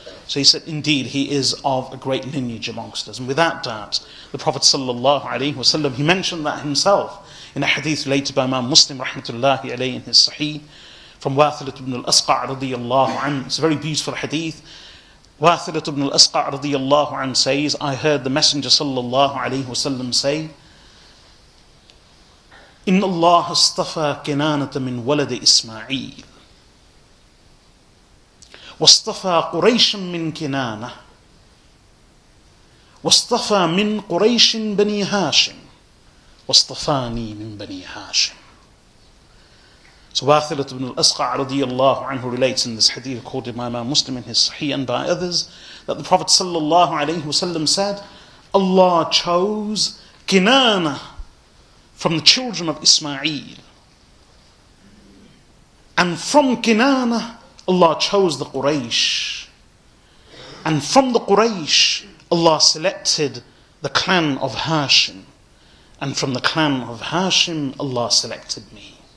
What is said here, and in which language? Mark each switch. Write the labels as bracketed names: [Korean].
[English] So he said, indeed, he is of a great lineage amongst us. And without doubt, the Prophet sallallahu alaihi wasallam, he mentioned that himself in a hadith related by Imam Muslim rahmatullahi alayhi in his sahih from Wathilat ibn al-Asqa' radiyallahu anhu. It's a very beautiful hadith. Wathilat ibn al-Asqa' radiyallahu anhu says, I heard the Messenger sallallahu alaihi wasallam say, [Arabic] إِنَّ اللَّهَ اصْطَفَى كِنَانَةَ مِنْ وَلَدِ إِسْمَعِيلِ وَاصْطَفَى قُرَيْشٍ مِّنْ كِنَانَةِ وَاصْطَفَى مِّنْ قُرَيْشٍ بَنِي هَاشِمٍ وَاصْطَفَانِي مِّنْ بَنِي هَاشِمٍ. [English] So Wathilat ibn al-Asqa' radiyallahu anhu relates in this hadith according to Imam Muslim in his Sahih and by others that the Prophet sallallahu alayhi wasallam said, Allah chose Kinana from the children of Ismail, and from Kinana Allah chose the Quraysh, and from the Quraysh Allah selected the clan of Hashim, and from the clan of Hashim Allah selected me.